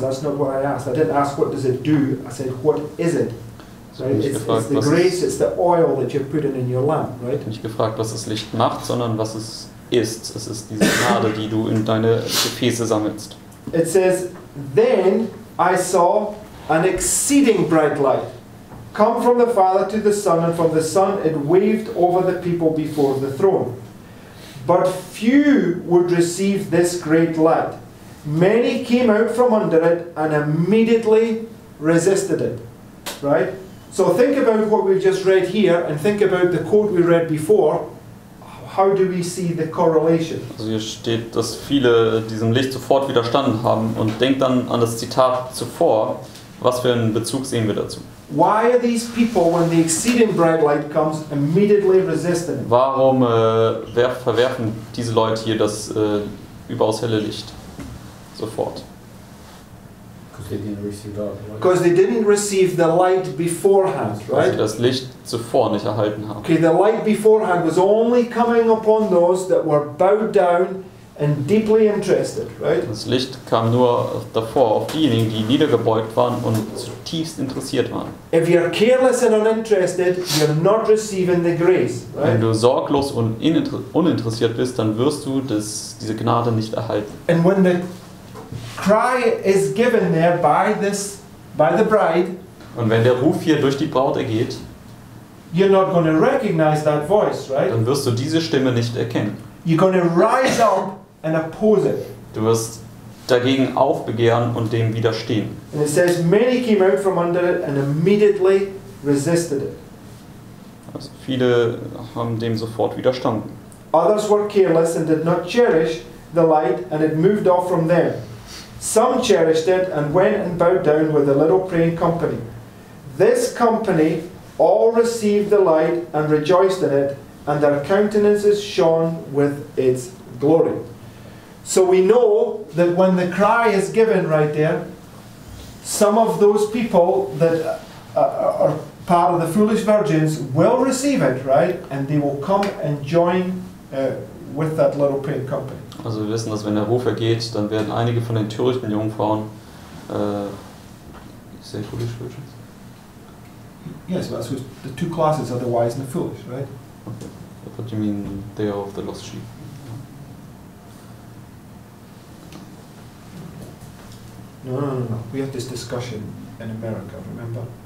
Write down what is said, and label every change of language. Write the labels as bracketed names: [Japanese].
[English] That's not what I asked. I didn't ask what does it do. I said what is it? It's the grace, it's the oil that you're putting in your lamp, right? [German] Nicht gefragt, was das Licht macht, sondern was es ist. Es ist diese Gnade, die du in deine Gefäße sammelst. [English] It says, then I saw an exceeding bright light come from the Father to the Son, and from the Son it waved over the people before the throne. But few would receive this great light. Many came out from under it and immediately resisted it. Right? So think about what we've just read here and think about the quote we read before. How do we see the correlation? [German] Also hier steht, dass viele diesem Licht sofort widerstanden haben. Und denkt dann an das Zitat zuvor. Was für einen Bezug sehen wir dazu? [English] Why are these people, when the exceeding bright light comes, immediately resisting? [German] Warum verwerfen diese Leute hier das überaus helle Licht sofort? [English] Because they didn't receive the light beforehand, right? [German] Weil sie das Licht zuvor nicht erhalten haben. [English] Okay, the light beforehand was only coming upon those that were bowed down and deeply interested, right? [German] Das Licht kam nur davor auf diejenigen, die niedergebeugt waren und zutiefst interessiert waren. [English] If you're careless and uninterested, you're not receiving the grace, right? [German] Wenn du sorglos und uninteressiert bist, dann wirst du diese Gnade nicht erhalten. [English] And when the cry is given there by the bride, [German] und wenn der Ruf hier durch die Braut ergeht, [English] you're not going to recognize that voice, right? [German] Dann wirst du diese Stimme nicht erkennen. [English] You're going to rise up and oppose it. [German] Du wirst dagegen aufbegehren und dem widerstehen. [English] And it says many came out from under it and immediately resisted it. [German] Also viele haben dem sofort widerstanden. [English] Others were careless and did not cherish the light, and it moved off from them. Some cherished it and went and bowed down with a little praying company. This company all received the light and rejoiced in it, and their countenances shone with its glory. So we know that when the cry is given right there, some of those people that are part of the foolish virgins will receive it, right? And they will come and join with that little praying company. [German] Also wir wissen, dass wenn der Ruf ergeht, dann werden einige von den törichten Jungfrauen sehr [English] foolish virgins. Yes, but so the two classes are the wise and the foolish, right? Okay. What do you mean they are of the lost sheep? No. We have this discussion in America, remember?